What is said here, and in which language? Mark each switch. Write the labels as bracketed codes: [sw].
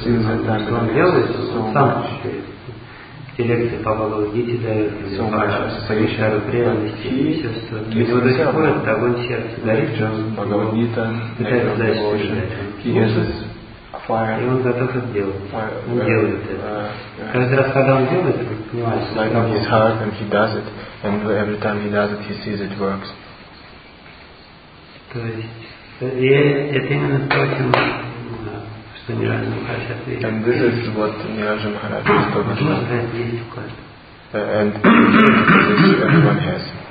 [ru] что он делает, он сам эти лекции по Бхагавад-гите дает, старые преданности, и все, что у него до сих пор, это огонь сердца горит, пытается дальше жить. И он готов это делать. Он делает это. Каждый раз, когда он делает, он понимает, что это работает. [en] Like on his heart, and he does it. And every time he does it, he sees it works. [ru] То есть, это именно то, что Ниранджана Махарадж ответил. [en] And this is what Ниранджана Махарадж is talking about. [ru] Можно сказать, есть в каждом. [en] And everyone has.